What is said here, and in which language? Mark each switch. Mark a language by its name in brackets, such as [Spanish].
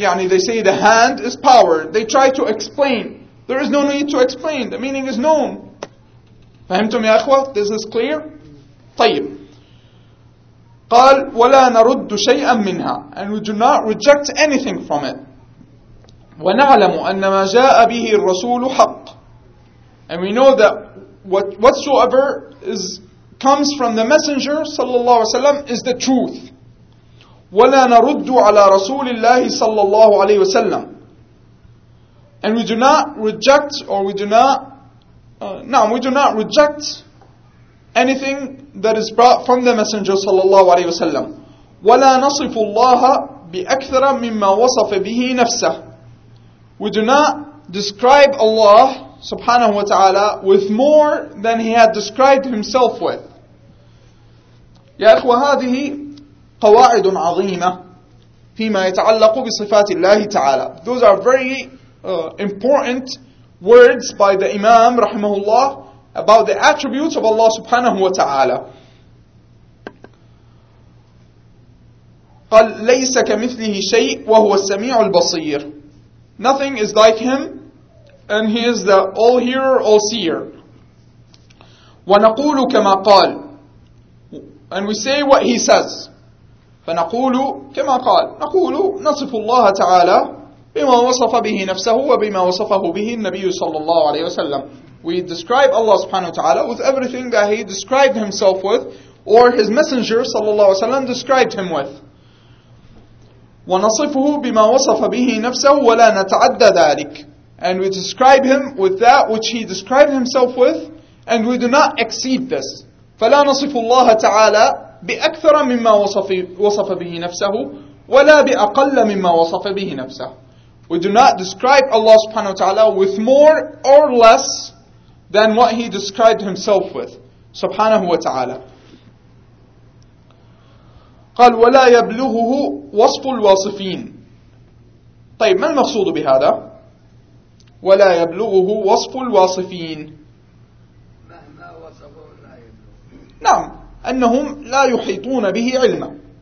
[English] They say the hand is power. They try to explain. There is no need to explain. The meaning is known. [Arabic] فهمتم يا أخوة؟ [English] This is clear. [Arabic] طيب. قال ولا نرد شيئا منها. [English] And we do not reject anything from it. [Arabic] ونعلم أن ما جاء به الرسول حق. [English] And we know that whatsoever comes from the messenger صلى الله عليه وسلم is the truth. [Arabic] ولا نرد على رسول الله صلى الله عليه وسلم. [English] And we do not reject or we do not we do not reject anything that is brought from the messenger صلى الله عليه وسلم. [Arabic] ولا نصف الله بأكثر مما وصف به نفسه. [English] We do not describe Allah سبحانه وتعالى with more than he had described himself with. [Arabic] يا إخوة, هذه قواعد عظيمة فيما يتعلق بصفات الله تعالى. [English] Those are very important words by the Imam رحمه الله about the attributes of Allah سبحانه وتعالى. [Arabic] قال ليس كمثله شيء وهو السميع البصير. [English] Nothing is like him and he is the all hearer, all seer. [Arabic] ونقول كما قال. [English] And we say what he says. [Arabic] فنقول كما قال. نقول نصف الله تعالى بما وصف به نفسه وبما وصفه به النبي صلى الله عليه وسلم. [English] We describe Allah سبحانه وتعالى with everything that he described himself with or his messenger صلى الله عليه وسلم described him with. [Arabic] ونصفه بما وصف به نفسه ولا نتعدى ذلك. [English] And we describe him with that which he described himself with and we do not exceed this. [Arabic] فلا نصف الله تعالى بأكثر مما وصف به نفسه ولا بأقل مما وصف به نفسه. [English] We do not describe Allah subhanahu wa ta'ala with more or less than what he described himself with, subhanahu wa ta'ala. [Arabic] قال ولا يبلغه وصف الواصفين. طيب ما المقصود بهذا؟ ولا يبلغه وصف الواصفين. مهما وصفوا لا يبلغ. نعم، أنهم لا يحيطون به علما.